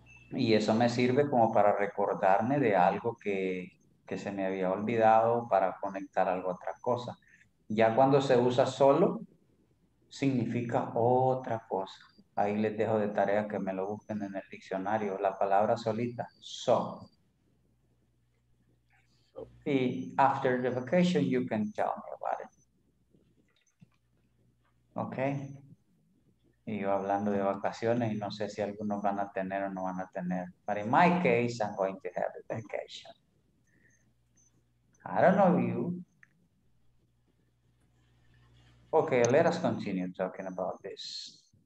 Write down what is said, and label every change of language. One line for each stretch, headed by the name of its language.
Spanish: Y eso me sirve como para recordarme de algo que se me había olvidado, para conectar algo a otra cosa. Ya cuando se usa solo, significa otra cosa. Ahí les dejo de tarea que me lo busquen en el diccionario. La palabra solita, so.
English: Y after the vacation, you can tell me about it. Okay.
Spanish: Y yo hablando de vacaciones y no sé si algunos van a tener o no van a tener.
English: But in my case, I'm going to have a vacation. I don't know you. Okay, let us continue talking about this.